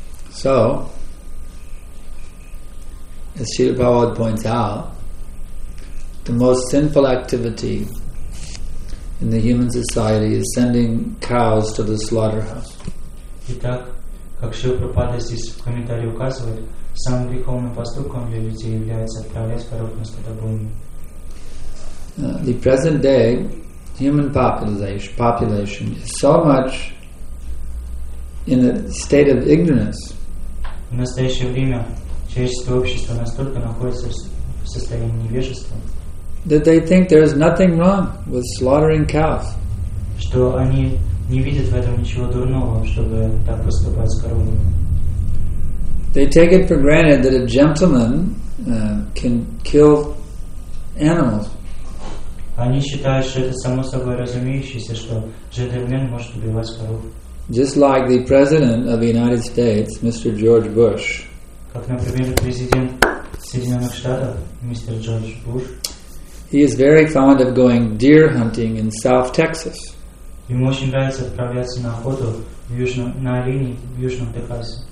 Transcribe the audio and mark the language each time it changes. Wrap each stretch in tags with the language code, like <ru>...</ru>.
<en>So, as Srila Prabhupada points out, the most sinful activity in the human society is sending cows to the slaughterhouse.</en> <ru>Итак, как Шрила Прабхупада здесь в комментарии указывает, самым греховным поступком для людей является отправлять коров на скотобойню.</ru> <en>The present day human population is so much in a state of ignorance.</en> <ru>В настоящее время человеческое общество настолько находится в состоянии невежества,</ru> <en>that they think there is nothing wrong with slaughtering cows.</en> <ru>Что они не видят в этом ничего дурного, чтобы так поступать с коровами.</ru> <en>They take it for granted that a gentleman can kill animals.</en> <ru>Они считают, что это само собой разумеющееся, что джентльмен может убивать коров.</ru> <en>Just like the president of the United States, Mr. George Bush.</en> <ru>Как, например, президент Соединенных Штатов, мистер Джордж Буш.</ru> <en>He is very fond of going deer hunting in South Texas.</en> <ru>Ему очень нравится отправляться на охоту на олени в Южном Техасе.</ru>